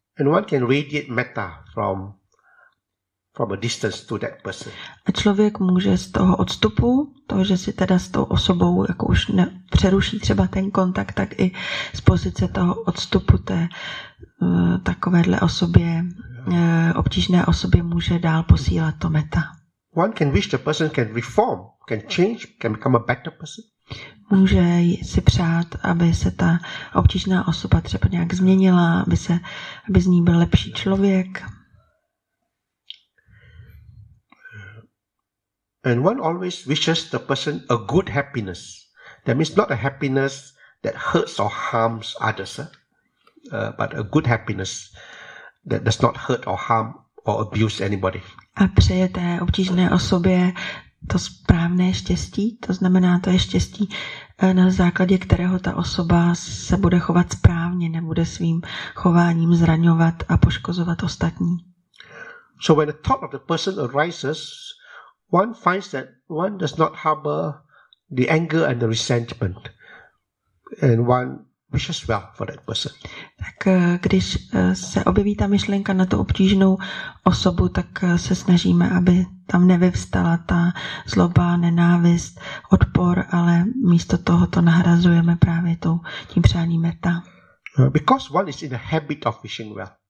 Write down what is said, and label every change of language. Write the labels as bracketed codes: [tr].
[en] And one can radiate metta from a distance to that person. [cs] A člověk může z toho odstupu, toho, že si teda s tou osobou jako už přeruší třeba ten kontakt, tak i z pozice toho odstupu té takovéhle osobě, obtížné osobě, může dál posílat to meta. [en] One can wish the person can reform, can change, can become a better person. [cs] Může si přát, aby se ta obtížná osoba třeba nějak změnila, aby z ní byl lepší člověk. [en] And one always wishes the person a good happiness. That means not a happiness that hurts or harms others, but a good happiness that does not hurt or harm or abuse anybody. [cs] A přeje té obtížné osobě to správné štěstí, to znamená, to je štěstí, na základě kterého ta osoba se bude chovat správně, nebude svým chováním zraňovat a poškozovat ostatní. [en] So when the thought of the person arises, one finds that one does not harbor the anger and the resentment, and one wishes well for that person. [cs] Tak když se objeví ta myšlenka na tu obtížnou osobu, tak se snažíme, aby tam nevyvstala ta zloba, nenávist, odpor, ale místo toho to nahrazujeme právě tím přáním metta. [en] Because one is in the habit of wishing well.